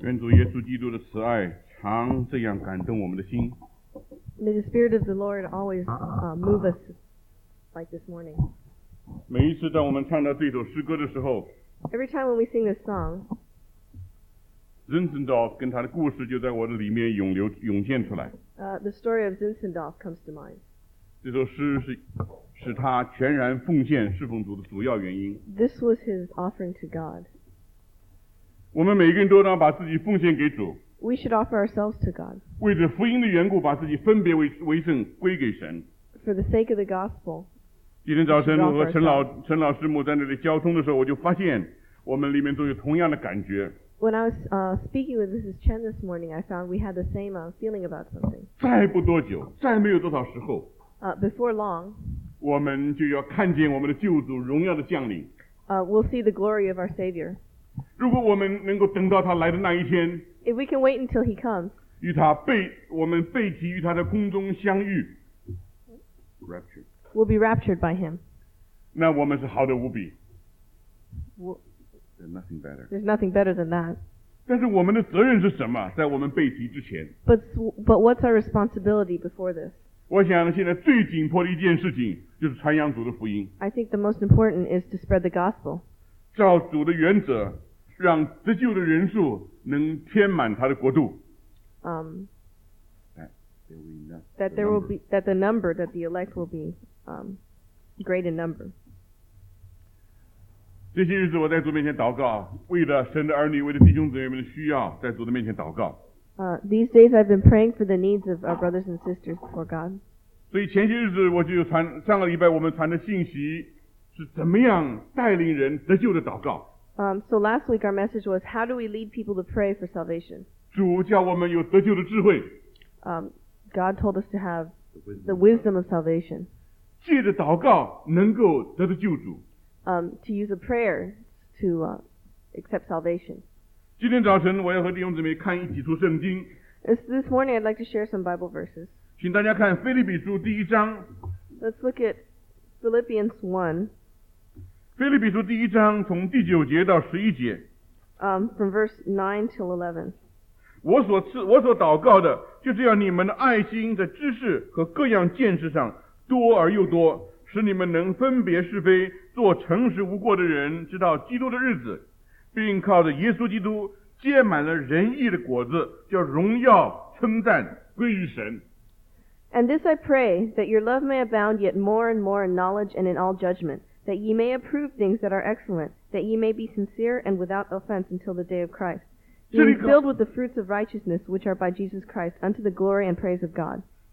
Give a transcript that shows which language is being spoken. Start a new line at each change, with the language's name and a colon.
Chinese: 愿主耶稣基督的慈爱常这样感动我们的心。
English: May the Spirit of the Lord always move us like this morning.
Chinese: 每一次当我们唱到这首诗歌的时候
English: ，Every time when we sing this song,
Chinese: Zinzendorf 跟他的故事就在我的里面涌现出来。
English: The story of Zinzendorf comes to mind.
Chinese: 这首诗是他全然奉献侍奉主的主要原因。
English: This was his offering to God.
Chinese: 我们每一个人都当把自己奉献给主。
English: We should offer ourselves to God.
Chinese: 为着福音的缘故，把自己分别为圣，归给神。
English: For the sake of the gospel.
Chinese: 今天早晨我和陈老师母在那里交通的时候，我就发现我们里面都有同样的感觉。
English: When I was speaking with Mrs. Chen this morning, I found we had the same feeling about something.
Chinese: 再不多久，再没有多少时候。
English: Before long.
Chinese: 我们就要看见我们的救主荣耀的降临。
English: We'll see the glory of our Savior.
Chinese: 如果我们能够等到他来的那一天。
English: If we can wait until he comes,
Chinese: 与他背我们背起与他的空中相遇 ，rapture,
English: we'll be raptured by him.
Chinese: 那我们是好的无比。
English: There's nothing better than that.
Chinese: 但是我们的责任是什么？在我们背起之前。
English: But what's our responsibility before this?
Chinese: 我想现在最紧迫的一件事情就是传扬主的福音。
English: I think the most important is to spread the gospel.
Chinese: 照主的原则。让得救的人数能填满他的国度。
English: That the number that the elect will be great in number.
Chinese: 这些日子我在主面前祷告，为了神的儿女，为了弟兄姊妹们的需要，在主的面前祷告。
English: These days I've been praying for the needs of our brothers and sisters before God.
Chinese: 所以前些日子我就传，上个礼拜我们传的信息是怎么样带领人得救的祷告。
English: So last week our message was, how do we lead people to pray for salvation?
Chinese: 主叫我们有得救的智慧。
English: God told us to have the wisdom of salvation.
Chinese: 借着祷告能够得到救主。
English: To use a prayer to accept salvation.
Chinese: 今天早晨我要和弟兄姊妹看一几处圣经。
English: This morning I'd like to share some Bible verses.
Chinese: 请大家看腓立比书第一章。
English: Let's look at Philippians 1.
Chinese: 腓立比书第一章从第九节到十一节。
English: From verse 9 till 11.
Chinese: 我所祷告的就是要你们的爱心在知识和各样见识上多而又多，使你们能分别是非，做诚实无过的人，直到基督的日子，并靠着耶稣基督结满了仁义的果子，叫荣耀称赞归于神。
English: And this I pray, that your love may abound yet more and more in knowledge and in all judgment. That ye may approve things that are excellent, that ye may be sincere and without offense until the day of Christ, being filled with the fruits of righteousness which are by Jesus Christ, unto the glory and praise of God.